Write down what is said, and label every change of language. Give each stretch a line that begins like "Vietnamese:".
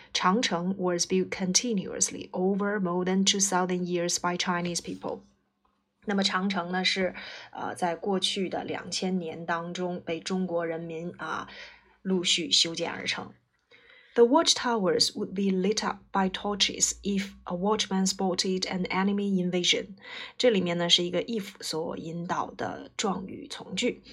English: 长城 was built continuously over more than 2,000 years by Chinese people。
Chinese: 那么长城呢是在过去的两千年当中被中国人民陆续修建而成。
English: The watchtowers would be lit up by torches if a watchman spotted an enemy invasion.
Chinese: 这里面呢是一个 if 所引导的状语从句。